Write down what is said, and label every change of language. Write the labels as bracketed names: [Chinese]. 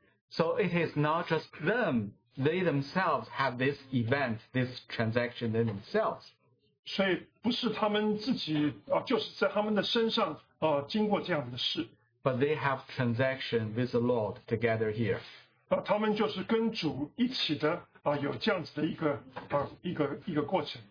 [English] So it is not just them; they themselves have this event, this transaction in themselves. [Chinese] 所以不是他们自己就是在他们的身上经过这样的事。 [English] But they have transaction with the Lord together here. [Chinese] 他们就是跟主一起的有这样子的一个过程。